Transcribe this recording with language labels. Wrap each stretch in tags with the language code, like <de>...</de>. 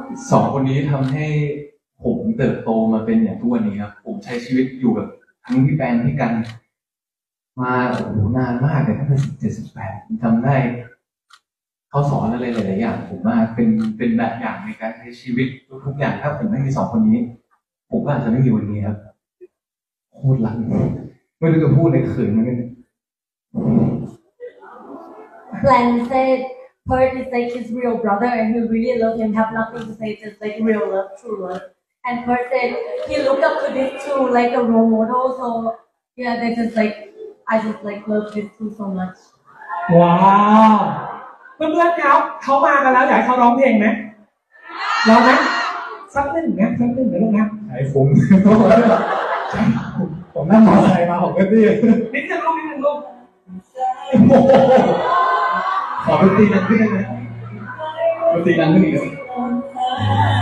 <th>สองคนนี้ทำให้ผมเติบโตมาเป็นอย่างทุกวันนี้ครับผมใช้ชีวิตอยู่กับทั้งพี่แปนพี่กันมาโอ้โหนานมากเลยตั้งแต่78ทำได้เขาสอนอะไรหลายๆอย่างผมมากเป็นแบบอย่างในการใช้ชีวิตทุกอย่างถ้าผมไม่มีสองคนนี้ผมก็อาจจะไม่มีวันนี้ครับโคตรรัก ไม่รู้จะพูดอะไรเขินมากเลย</th> <en>Plan said Pert is like his real brother and he really love him have nothing to say just like real love true love and Pert said he looked up to this too like a role model so yeah they just like I just like love this too so much</en> <th>ว้าวเพื่อนๆครับเขามากันแล้วอยากให้เขาร้องเพลงไหมร้องไหมสักนิดนะสักนิดเดี๋ยวลงนะ ไอ้ผมผมนั่งมอเตอร์ไซค์มาของพี่ น ด เดียวลง นิดเดียวลงขอพี่ตีนั่งขึ้นได้ไหมพี่ตีนั่งขึ้นอีก</th>